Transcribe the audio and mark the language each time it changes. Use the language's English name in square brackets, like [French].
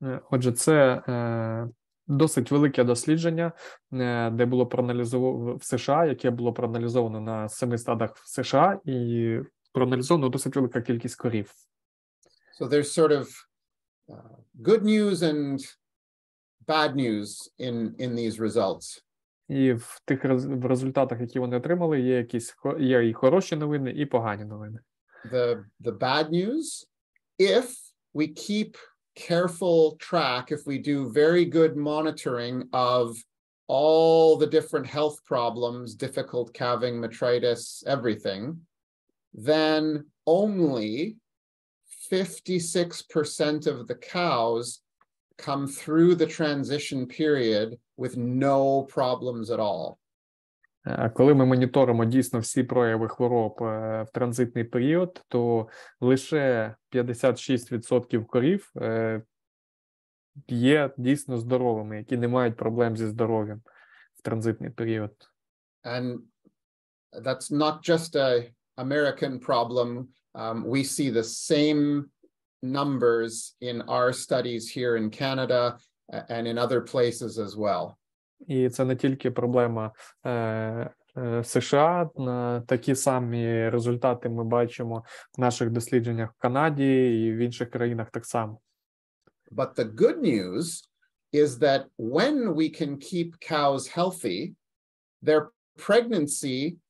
[Ukrainian] Отже, це досить велике дослідження, де було проаналізовано в США, яке було проаналізовано на 7 стадах в США, і проаналізовано досить велика кількість корів. [English] So there's sort of good news and bad news in these results. [Ukrainian] І в тих в результатах, які вони отримали, є якісь є і хороші новини, і погані новини. [English] The bad news, if we keep careful track, if we do very good monitoring of all the different health problems, difficult calving, metritis, everything, then only 56% of the cows come through the transition period with no problems at all. [Ukrainian] Коли ми моніторимо дійсно всі прояви хвороб в транзитний період, то лише 56% корів є дійсно здоровими, які не мають проблем зі здоров'ям в транзитний період. [English] And that's not just an American problem. We see the same numbers in our studies here in Canada and in other places as well. [Ukrainian] І це не тільки проблема США, такі самі результати ми бачимо в наших дослідженнях в Канаді і в інших країнах так само. [English] But the good news is that when we can keep cows healthy, their pregnancy